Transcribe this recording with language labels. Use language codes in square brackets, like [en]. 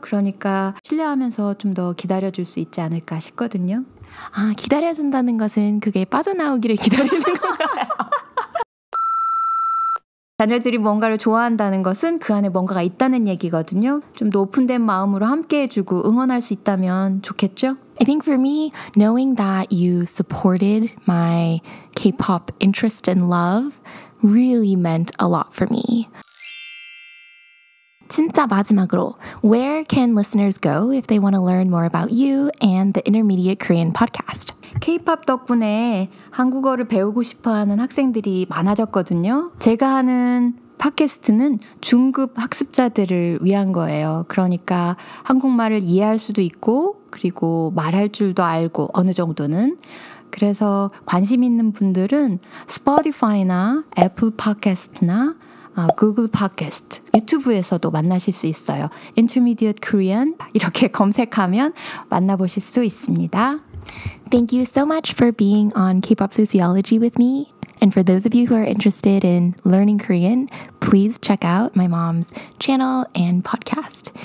[ko] 그러니까 신뢰하면서 좀 더 기다려줄 수 있지 않을까 싶거든요. 아 기다려준다는 것은 그게 빠져나오기를 기다리는 건가요? 자녀들이 뭔가를 좋아한다는 것은 그 안에 뭔가가 있다는 얘기거든요. 좀 더 오픈된 마음으로 함께해주고 응원할 수 있다면 좋겠죠? [en] I think for me, knowing that you supported my K-pop interest and love really meant a lot for me. [ko] 진짜 마지막으로, [en] where can listeners go if they want to learn more about you and the Intermediate Korean podcast? [ko] K-pop 덕분에 한국어를 배우고 싶어하는 학생들이 많아졌거든요. 제가 하는 팟캐스트는 중급 학습자들을 위한 거예요. 그러니까 한국말을 이해할 수도 있고 그리고 말할 줄도 알고 어느 정도는 그래서 관심 있는 분들은 스포티파이나 애플 팟캐스트나 구글 팟캐스트 유튜브에서도 만나실 수 있어요. Intermediate Korean 이렇게 검색하면 만나보실 수 있습니다. [en] Thank you so much for being on K-pop Sociology with me. And for those of you who are interested in learning Korean, please check out my mom's channel and podcast.